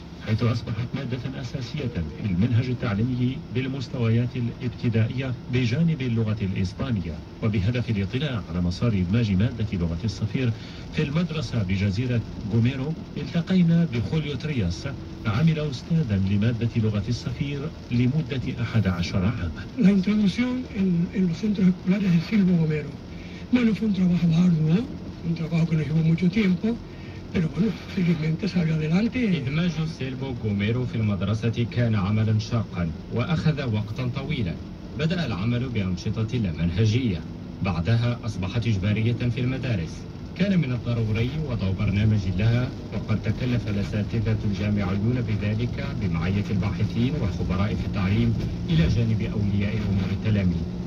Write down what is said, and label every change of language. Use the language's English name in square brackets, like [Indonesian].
[Arabic] حيث أصبحت مادة أساسية في المنهج التعليمي بالمستويات الابتدائية بجانب اللغة الإسبانية وبهدف الاطلاع على مسار إدماج مادة لغة الصفير في المدرسة بجزيرة غوميرو التقينا بخوليو ترياس عمل أستاذا لمادة لغة الصفير لمدة 11 عاما. [Spanish] La introducción en los centros escolares de Silvo Gomero. Bueno, fue un trabajo arduo, un trabajo que nos llevó mucho tiempo, pero bueno, felizmente salió adelante. [Arabic] إدماج سيلبو غوميرو في المدرسة كان عملا شاقا وأخذ وقتا طويلا. بدأ العمل بأنشطة لا منهجية، بعدها أصبحت إجبارية في المدارس. كان من الضروري وضع برنامج لها وقد تكلف الأساتذة الجامعيون بذلك بمعية الباحثين والخبراء في التعليم إلى جانب أولياء أمور التلاميذ.